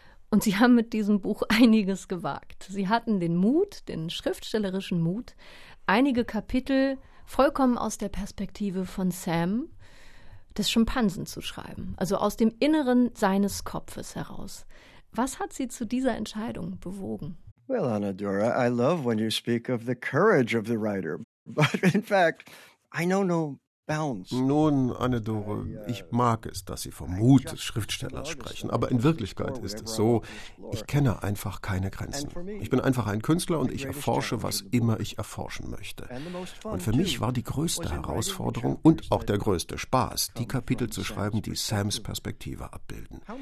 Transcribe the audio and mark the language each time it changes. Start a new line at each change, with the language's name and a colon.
German: Und sie haben mit diesem Buch einiges gewagt. Sie hatten den Mut, den schriftstellerischen Mut, einige Kapitel vollkommen aus der Perspektive von Sam, des Schimpansen zu schreiben, also aus dem Inneren seines Kopfes heraus. Was hat Sie zu dieser Entscheidung bewogen?
English: Well, Anadora, I love when you speak of the courage of the writer. But in fact, I know no bounds.
German: Nun, Anne-Dore, ich mag es, dass Sie vom Mut des Schriftstellers sprechen, aber in Wirklichkeit ist es so, ich kenne einfach keine Grenzen. Ich bin einfach ein Künstler und ich erforsche, was immer ich erforschen möchte. Und für mich war die größte Herausforderung und auch der größte Spaß, die Kapitel zu schreiben, die Sams Perspektive abbilden.